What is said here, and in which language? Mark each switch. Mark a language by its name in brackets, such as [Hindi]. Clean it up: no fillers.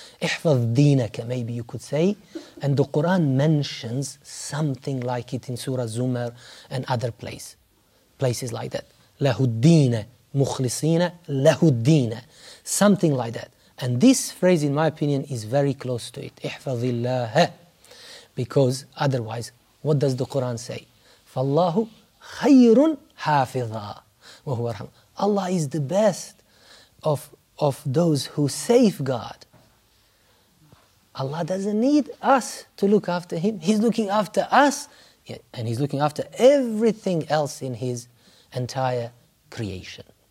[Arabic] احفظ دينك, [English] maybe you could say. And the Quran mentions something like it in Surah Zumar and other places like that. [Arabic] له الدين مخلصين له الدين. [English] Something like that. And this phrase, in my opinion, is very close to it. [Arabic] احفظ الله. [English] Because otherwise, what does the Quran say? [Arabic] فالله خير حافظا وهو أرحم. [English] Allah is the best of those who safeguard. Allah doesn't need us to look after Him. He's looking after us, and He's looking after everything else in His entire creation.